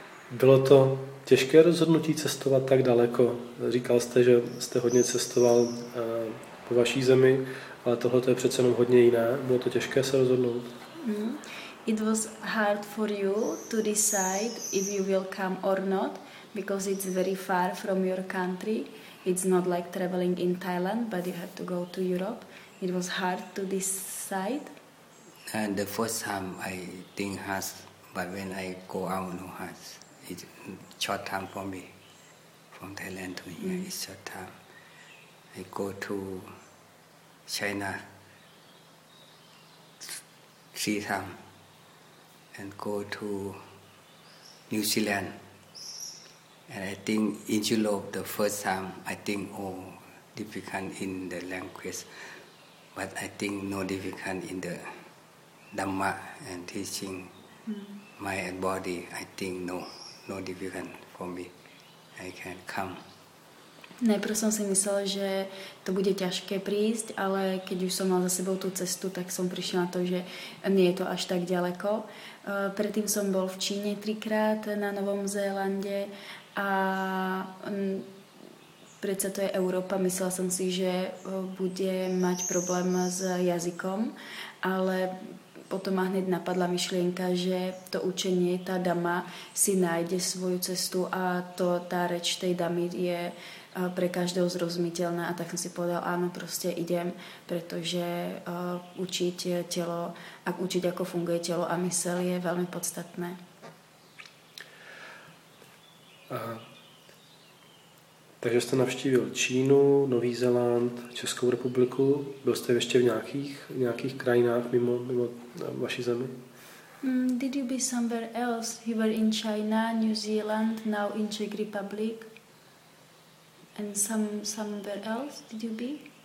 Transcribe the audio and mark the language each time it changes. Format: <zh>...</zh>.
<cs>Bylo to těžké rozhodnutí cestovat tak daleko. Říkal jste, že jste hodně cestoval po vaší zemi, ale tohle to je přece jenom hodně jiné. Bylo to těžké se rozhodnout?</cs> <en>It was hard for you to decide if you will come or not, because it's very far from your country. It's not like traveling in Thailand, but you have to go to Europe. It was hard to decide. And the first time I think hard, but when I go out, no hard. It's short time for me, from Thailand to here. Mm. It's short time. I go to China 3 times and go to New Zealand. And I think in Europe the first time, I think, difficult in the language. But I think no difficult in the Dhamma and teaching my body. I think no difficult for me. I can come.</en> <sk>Najprv som si myslel, že to bude ťažké prísť, ale keď už som mal za sebou tú cestu, tak som prišiel na to, že nie je to až tak ďaleko. Predtým som bol v Číne 3 times na Novom Zélande a predsa to je Európa. Myslela som si, že bude mať problém s jazykom, ale potom ma hneď napadla myšlienka, že to učenie, tá dama si nájde svoju cestu a to, tá reč tej damy je pre každého zrozumiteľná. A tak som si povedal, áno, proste idem, pretože učiť telo, ak učiť, ako funguje telo a mysel, je veľmi podstatné.</sk> <cs>Takže jste navštívil Čínu, Nový Zéland, Českou republiku. Byl jste ještě v nějakých krajinách mimo vaší zemi?</cs> <en>Did you be somewhere else? You were in China, New Zealand, now in Czech Republic. And somewhere else did you be?</en>